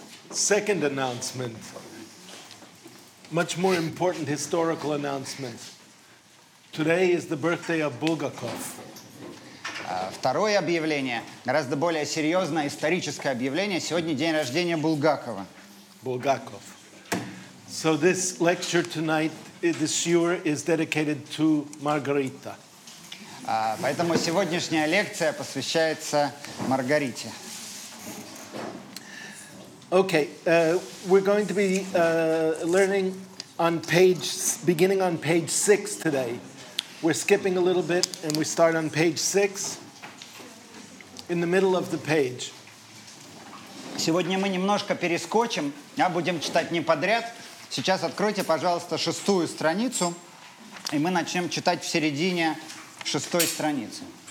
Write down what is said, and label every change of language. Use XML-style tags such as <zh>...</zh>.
<en>Second announcement. Much more important historical announcement. Today is the birthday of Bulgakov.</en> <ru>Второе объявление, гораздо более серьезное историческое объявление. Сегодня день рождения Булгакова. Булгаков.</ru> <en>So this lecture tonight, this shiur is dedicated to Маргарита.</en> <ru>Поэтому сегодняшняя лекция посвящается Маргарите.</ru> <en>Okay, we're going to be learning on page, beginning on page 6 today. We're skipping a little bit and we start on page 6, in the middle of the page.</en> <ru>Сегодня мы немножко перескочим, а будем читать не подряд. Сейчас откройте, пожалуйста, шестую страницу, и мы начнем читать в середине шестой страницы.</ru>